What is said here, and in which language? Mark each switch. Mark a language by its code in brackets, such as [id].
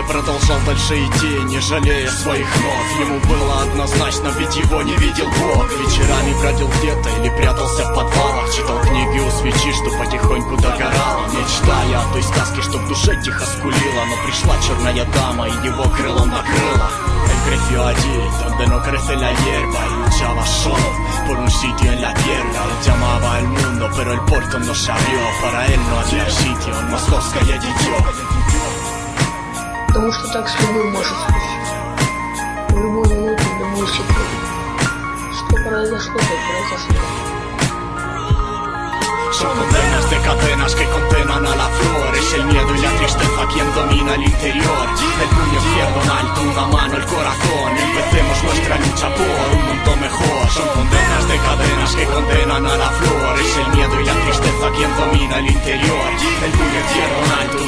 [ru] И продолжал дальше идти, не жалея своих ног. Ему было однозначно, ведь его не видел Бог. Вечерами бродил где-то или прятался в подвалах. Читал книги у свечи, что потихоньку догорала. Мечтая о той сказке, что в душе тихо скулила. Но пришла черная дама и его крылом накрыла. [es] Él creció allí, donde no crece la hierba. Y luchaba solo por un sitio en la tierra. Él llamaba al mundo, pero el puerto no se abrió. Para él no había sitio, en Московска y allí yo. [ru] Потому что так с любым может случиться. В любую минуту, в любую секунду. Что произошло, то произошло. [es] Son condenas de cadenas que condenan a la flor. Es el miedo y la tristeza quien domina el interior. El puño izquierdo en alto, una mano el corazón. Empecemos nuestra lucha por un mundo mejor. Son condenas de cadenas que condenan a la flor. Es el miedo y la tristeza quien domina el interior. El puño izquierdo en alto.